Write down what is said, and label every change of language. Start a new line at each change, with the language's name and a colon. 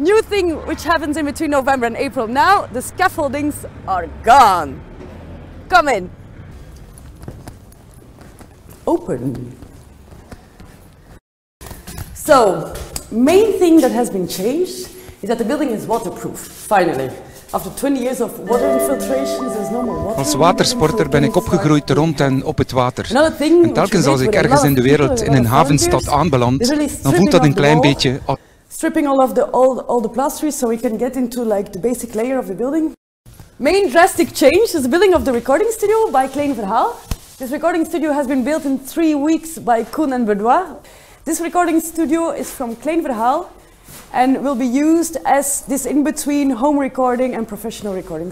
English: New thing which happens in between November and April now, the scaffoldings are gone. Come in. Open. So, main thing that has been changed is that the building is waterproof, finally. After 20 years of water infiltration, there's no more water.
Dutch: Als watersporter ben ik opgegroeid rond en op het water. En telkens als ik ergens in de wereld in een havenstad aanbeland, dan voelt dat een klein beetje.
English: Stripping all of the all the plastery so we can get into like the basic layer of the building. Main drastic change is the building of the recording studio by Klein Verhaal. This recording studio has been built in 3 weeks by Koen en Bedois. This recording studio is from Klein Verhaal. And will be used as this in-between home recording and professional recording.